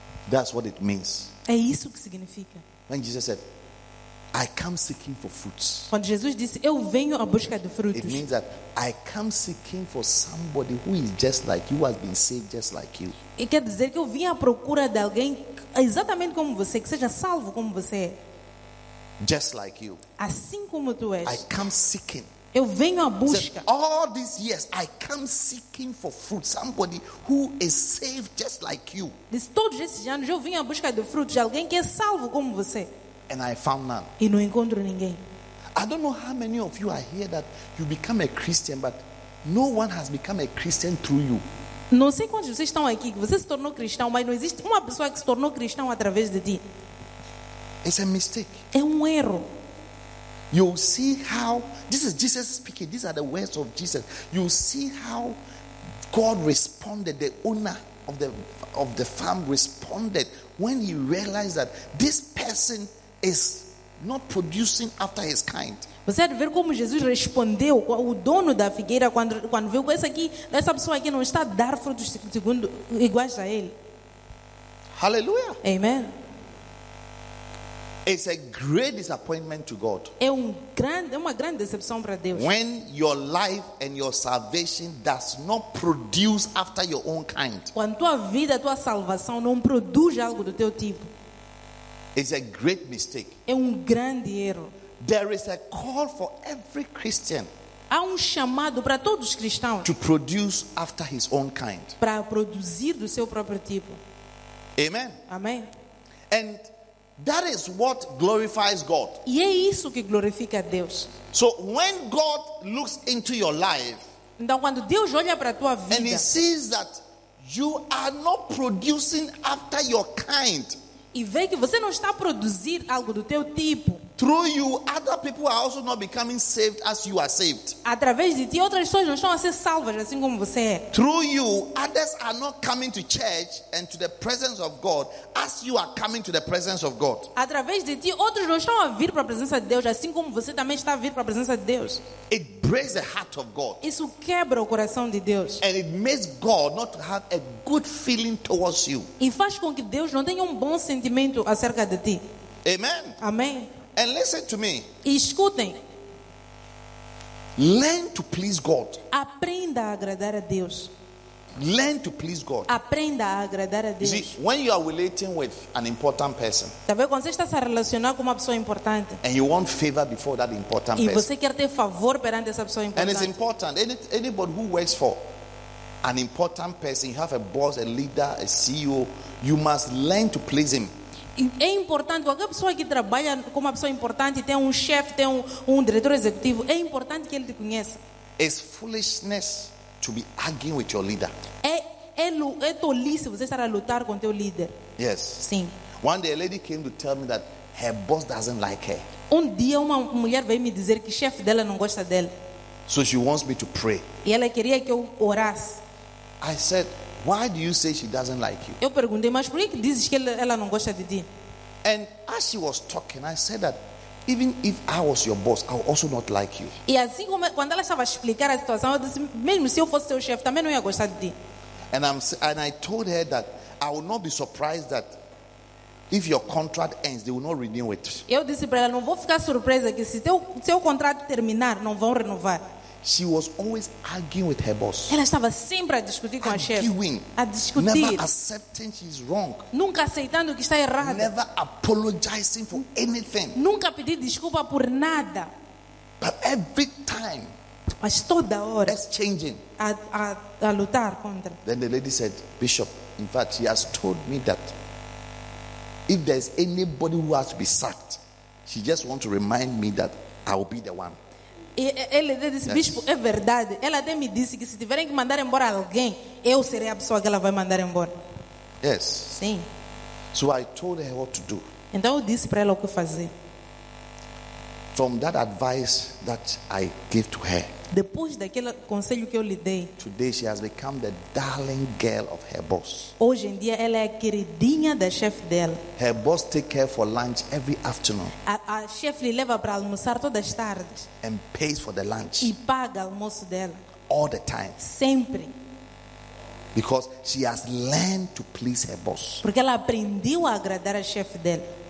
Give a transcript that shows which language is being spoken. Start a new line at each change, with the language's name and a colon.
English: That's what it means.
Portuguese: É isso que significa.
English: When Jesus said, I come seeking for fruits.
Portuguese: Quando Jesus disse, eu venho à busca de frutos.
English: It means that I come seeking for somebody who is just like you, has been saved just like you.
Portuguese: E quer dizer que eu vim à procura de alguém exatamente como você, que seja salvo como você é.
English: Just like you.
Portuguese: Assim como tu és.
English: I come seeking.
Portuguese: Eu venho à busca.
English: So, all these years, I come seeking for fruit, somebody who is saved just like you.
Portuguese: Todos esses anos, eu vim à busca de frutos de alguém que é salvo como você.
English: And I found none.
Portuguese: E não encontro ninguém.
English: I don't know how many of you are here that you become a Christian, but no one has become a Christian through you.
Portuguese: Não sei quantos vocês estão aqui que você se tornou cristão, mas não existe uma pessoa que se tornou cristão através de ti.
English: It's a mistake.
Portuguese: É erro.
English: You see how this is Jesus speaking. These are the words of Jesus. You see how God responded. The owner of the farm responded when he realized that this person is not producing after his kind.
Portuguese: Você vê como Jesus respondeu o dono da figueira quando viu que essa pessoa aqui não está a dar frutos segundo iguais a ele.
English: Hallelujah.
Portuguese: Amen.
English: It's a great disappointment to God.
Portuguese: É uma grande decepção para Deus.
English: When your life and your salvation does not produce after your own kind.
Portuguese: Quando tua vida, tua salvação não produz algo do teu tipo.
English: It's a great mistake.
Portuguese: É grande erro.
English: There is a call for every Christian.
Portuguese: Há chamado para todos os cristãos.
English: To produce after his own kind.
Portuguese: Para produzir do seu próprio tipo.
English: Amen.
Portuguese: Amém.
English: And that is what glorifies God.
Portuguese: E é isso que glorifica Deus.
English: So when God looks into your life,
Portuguese: então quando Deus olha para tua vida,
English: and he sees that you are not producing after your kind,
Portuguese: e vê que você não está a produzir algo do teu tipo,
English: through you other people are also not becoming saved as you are saved.
Portuguese: Através de ti outras pessoas não estão a ser salvas assim como você é.
English: Through you others are not coming to church and to the presence of God as you are coming to the presence of God.
Portuguese: Através de ti outros não estão a vir para a presença de Deus assim como você também está a vir para a presença de Deus.
English: It breaks the heart of God.
Portuguese: Isso quebra o coração de Deus.
English: And it makes God not to have a good feeling towards you.
Portuguese: E faz com que Deus não tenha bom sentimento acerca de ti.
English: Amen.
Portuguese: Amém.
English: And listen to me.
Portuguese: Escutem.
English: Learn to please God.
Portuguese: Aprenda a agradar a Deus.
English: Learn to please God.
Portuguese: Aprenda a agradar a Deus.
English: You see, when you are relating with an important person,
Portuguese: talvez quando você está a relacionar com uma pessoa importante,
English: and you want favor before that important person,
Portuguese: e você quer ter favor perante essa pessoa importante,
English: and it's important, anybody who works for an important person, you have a boss, a leader, a CEO, you must learn to please him.
Portuguese: É importante, qualquer pessoa que trabalha com uma pessoa importante, tem um chefe, tem um diretor executivo, é importante que ele te conheça.
English: It's foolishness to be arguing with your leader.
Portuguese: É tolice você estar a lutar com teu líder.
English: Yes.
Portuguese: Sim.
English: One day a lady came to tell me that her boss doesn't like her.
Portuguese: Um dia uma mulher veio me dizer que chefe dela não gosta dela.
English: So she wants me to pray.
Portuguese: E ela queria que eu orasse.
English: I said, why do you say she doesn't like you?
Portuguese: Eu perguntei, mas por que dizes que ela não gosta de ti?
English: And as she was talking, I said that even if I was your boss, I would also not like you.
Portuguese: E assim como quando ela estava a explicar a situação, eu disse, mesmo se eu fosse seu chefe, também não ia gostar de ti.
English: And I told her that I would not be surprised that if your contract ends, they will not renew it.
Portuguese: Eu disse para ela, não vou ficar surpresa que se teu contrato terminar, não vão renovar.
English: She was always arguing with her boss.
Portuguese: Ela estava sempre a discutir com a chefe.
English: Arguing.
Portuguese: A discutir.
English: Never accepting she's wrong.
Portuguese: Nunca aceitando que está errada.
English: Never apologizing for anything.
Portuguese: Nunca pedir desculpa por nada.
English: But every time.
Portuguese: Mas toda hora.
English: It's changing.
Portuguese: A lutar contra.
English: Then the lady said, Bishop, in fact, she has told me that if there's anybody who has to be sacked, she just wants to remind me that I'll be the one.
Portuguese: Ele disse, bispo, é verdade. Ela até me disse que se tiverem que mandar embora alguém, eu serei a pessoa que ela vai mandar embora.
English: Yes.
Portuguese: Sim.
English: So I told her what to do.
Portuguese: Então eu disse para ela o que fazer.
English: From that advice that I gave to her.
Portuguese: Depois daquele conselho que eu lhe dei.
English: Today she has become the darling girl of her boss.
Portuguese: Hoje em dia ela é a queridinha da chefe dela.
English: Her boss take care for lunch every afternoon.
Portuguese: A chefe lhe leva para almoçar todas as tardes.
English: And pays for the lunch.
Portuguese: E paga o almoço dela.
English: All the time.
Portuguese: Sempre.
English: Because she has learned to please her boss.
Portuguese: Porque ela aprendeu a agradar a chefe dela.